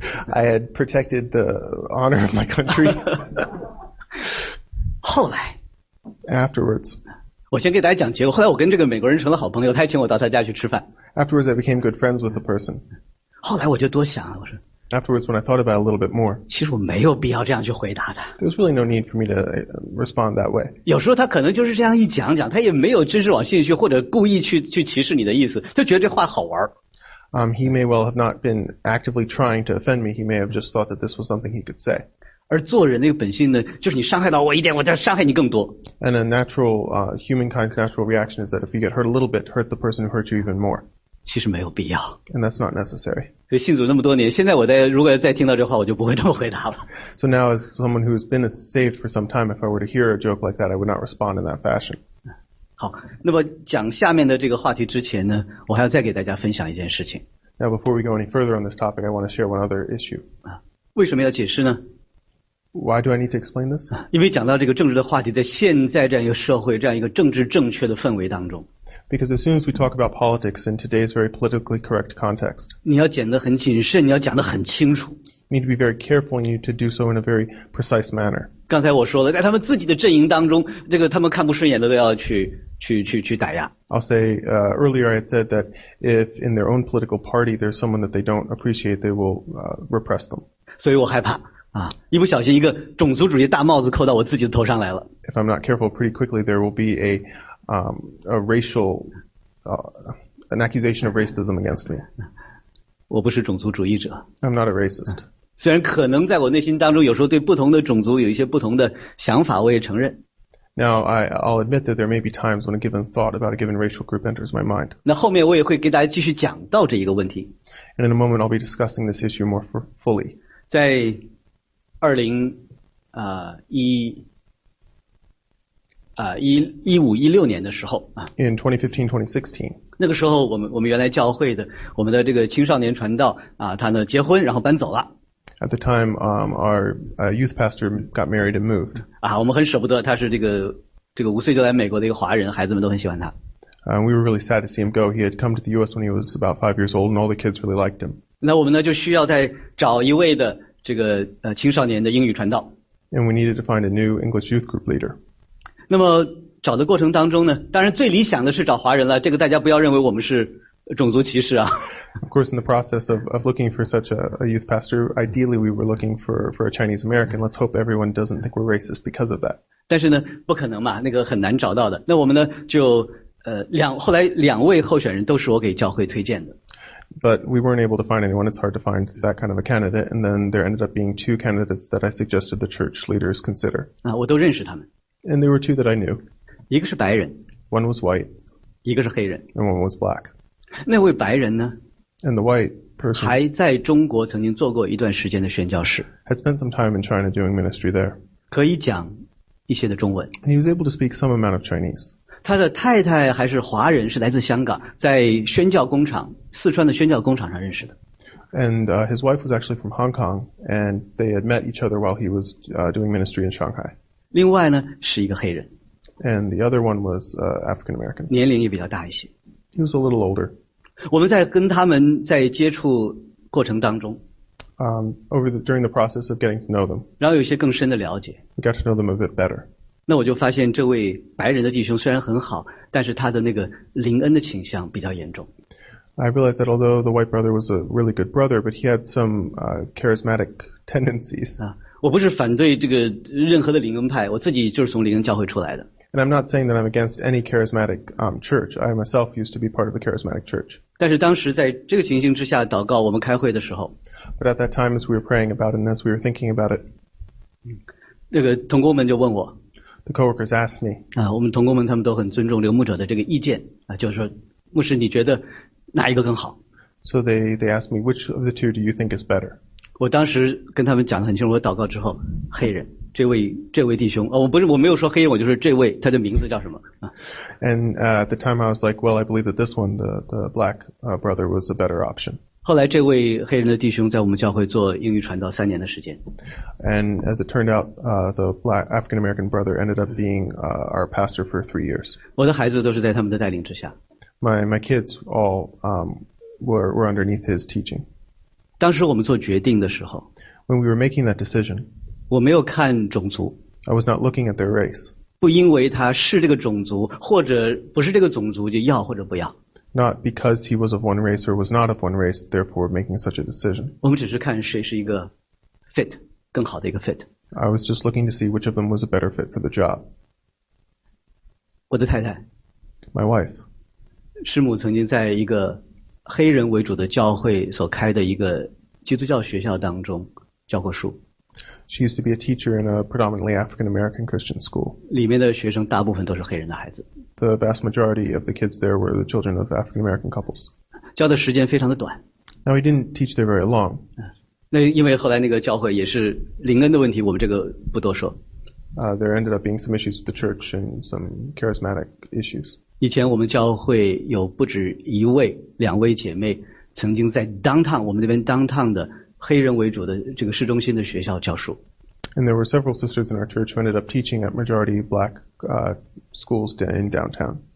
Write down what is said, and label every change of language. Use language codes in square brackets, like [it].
[en] I had protected the honor of my country. [zh] 后来 [en] Afterwards. [zh] 我先给大家讲结果，后来我跟这个美国人成了好朋友，他还请我到他家去吃饭。 [en] Afterwards, I became good friends with the person. [zh] 后来我就多想了，我说 [en] Afterwards, when I thought about it a little bit more. [zh] 其实我没有必要这样去回答的。 [en] There's really no need for me to respond that way. [zh] 有时候他可能就是这样一讲讲，他也没有真是往心里去，或者故意去歧视你的意思，就觉得这话好玩。 [en] He may well have not been actively trying to offend me. He may have just thought that this was something he could say. [zh] 而做人那个本性呢，就是你伤害到我一点，我再伤害你更多。 [en] And a natural humankind's natural reaction is that if you get hurt a little bit, hurt the person who hurt you even more. [zh] 其实没有必要。 [en] And that's not necessary. [zh] 所以信主那么多年，现在我在如果再听到这话，我就不会这么回答了。 [en] So now, as someone who's been saved for some time, if I were to hear a joke like that, I would not respond in that fashion. [zh] 好，那么讲下面的这个话题之前呢，我还要再给大家分享一件事情。 [en] Now before we go any further on this topic, I want to share one other issue. [zh] 啊，为什么要解释呢？ [en] Why do I need to explain this? [zh] 因为讲到这个政治的话题，在现在这样一个社会，这样一个政治正确的氛围当中。 [en] Because as soon as we talk about politics in today's very politically correct context, [zh] 你要讲得很谨慎，你要讲得很清楚。 [en] You need to be very careful, and you need to do so in a very precise manner. [zh] 刚才我说了，在他们自己的阵营当中，这个他们看不顺眼的都要去打压。 [en] I'll say, earlier I had said that if in their own political party there's someone that they don't appreciate, they will repress them. [zh] 所以我害怕。啊，一不小心一个种族主义大帽子扣到我自己的头上来了。 [en] If I'm not careful, pretty quickly there will be a racial, an accusation of racism against me. [zh] 我不是种族主义者。 [en] I'm not a racist. [zh] 虽然可能在我内心当中有时候对不同的种族有一些不同的想法，我也承认。 [en] Now I'll admit that there may be times when a given thought about a given racial group enters my mind. [zh] 那后面我也会给大家继续讲到这一个问题。 [en] And in a moment I'll be discussing this issue more fully. [zh] 在2015-16年的时候啊。 [en] In 2015-2016. [zh] 那个时候我们原来教会的我们的这个青少年传道啊，他呢结婚然后搬走了。 [en] At the time, our youth pastor got married and moved. [zh] 啊，我们很舍不得，他是这个五岁就来美国的一个华人，孩子们都很喜欢他。 [en] We were really sad to see him go. He had come to the U.S. when he was about 5 years old, and all the kids really liked him. [zh] 那我们呢就需要再找一位的这个青少年的英语传道。 [en] And we needed to find a new English youth group leader. [zh] 那么找的过程当中呢，当然最理想的是找华人了。这个大家不要认为我们是。种族歧视啊 [en] ！Of course, in the process of looking for such a youth pastor, ideally we were looking for a Chinese American. Let's hope everyone doesn't think we're racist because of that. [zh] 但是呢，不可能嘛，那个很难找到的。那我们呢，就后来两位候选人都是我给教会推荐的。 [en] But we weren't able to find anyone. It's hard to find that kind of a candidate. And then there ended up being two candidates that I suggested the church leaders consider. [zh] 啊，我都认识他们。 [en] And there were two that I knew. [zh] 一个是白人。 [en] One was white. [zh] 一个是黑人。 [en] And one was black. [zh] 那位白人呢 [en] And the white person [zh] 还在中国曾经做过一段时间的宣教士 [en] has spent some time in China doing ministry there [zh] 可以讲一些的中文 [en] And he was able to speak some amount of Chinese [zh] 他的太太还是华人是来自香港在宣教工厂四川的宣教工厂上认识的 [en] And his wife was actually from Hong Kong and they had met each other while he was doing ministry in Shanghai [zh] 另外呢是一个黑人 [en] And the other one was African American [zh] 年龄也比较大一些 [en] He was a little older. [zh] 我们在跟他们在接触过程当中 [en] during the process of getting to know them. [zh] 然后有一些更深的了解 [en] We got to know them a bit better. [zh] 那我就发现这位白人的弟兄虽然很好但是他的那个灵恩的倾向比较严重 [en] I realized that although the white brother was a really good brother, but he had some charismatic tendencies. [zh] 我不是反对这个任何的灵恩派我自己就是从灵恩教会出来的 [en] And I'm not saying that I'm against any charismatic church. I myself used to be part of a charismatic church. [zh] 但是当时在这个情形之下祷告我们开会的时候 [en] But at that time as we were praying about it and as we were thinking about it, [zh] 那个同工们就问我 [en] The coworkers asked me, [zh] 啊，我们同工们他们都很尊重刘牧者的这个意见，啊，就是说，牧师你觉得哪一个更好？ [en] So they asked me, which of the two do you think is better? [zh] 我当时跟他们讲得很清楚，我祷告之后，黑人。这位弟兄，哦，我没有说黑人，我就是这位，他的名字叫什么啊 [en] ？And at the time I was like, well, I believe that this one, the black brother, was a better option. [zh] 后来这位黑人的弟兄在我们教会做英语传道3年的时间。 [en] And as it turned out, the black African American brother ended up being our pastor for 3 years. [zh] 我的孩子都是在他们的带领之下。 [en] My kids all were underneath his teaching. [zh] 当时我们做决定的时候 [en] ，When we were making that decision. [zh] 我没有看种族 [en] I was not looking at their race [zh] 不因为他是这个种族或者不是这个种族就要或者不要 [en] Not because he was of one race or was not of one race therefore making such a decision [zh] 我们只是看谁是一个 fit 更好的一个 fit [en] I was just looking to see which of them was a better fit for the job [zh] 我的太太 [en] My wife [zh] 师母曾经在一个黑人为主的教会所开的一个基督教学校当中教过书 [en] She used to be a teacher in a predominantly African American Christian school. [zh] 里面的学生大部分都是黑人的孩子。 [en] The vast majority of the kids there were the children of African American couples. [zh] 教的时间非常的短。 [en] Now he didn't teach there very long. [zh] 那因为后来那个教会也是灵恩的问题，我们这个不多说。 [en] There ended up being some issues with the church and some charismatic issues. [zh] 以前我们教会有不止一位、两位姐妹曾经在 downtown 我们那边 downtown 的。黑人为主的这个市中心的学校教书。 [en] And there were several sisters in our church who ended up teaching at majority black schools in downtown.